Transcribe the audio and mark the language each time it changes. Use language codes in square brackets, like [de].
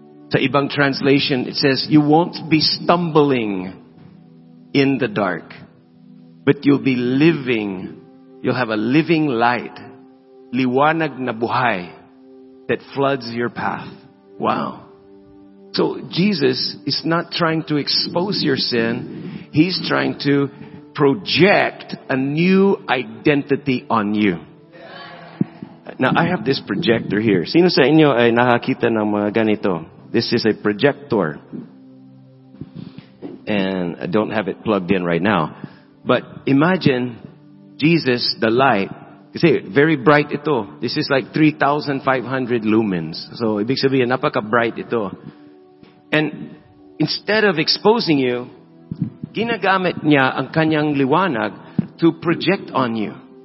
[en] Sa ibang translation, it says, you won't be stumbling in the dark, but you'll be living, you'll have a living light, [tl] liwanag na buhay, [en] that floods your path. Wow. So Jesus is not trying to expose your sin. He's trying to project a new identity on you. Now, I have this projector here. [tl] Sino sa inyo ay nakakita ng mga ganito? [en] This is a projector. And I don't have it plugged in right now. But imagine Jesus, the light. [tl] Kasi very bright ito. [en] This is like 3,500 lumens. [tl] So, ibig sabihin, napaka-bright ito. [en] And instead of exposing you, [tl] ginagamit niya ang kanyang liwanag [en] to project on you.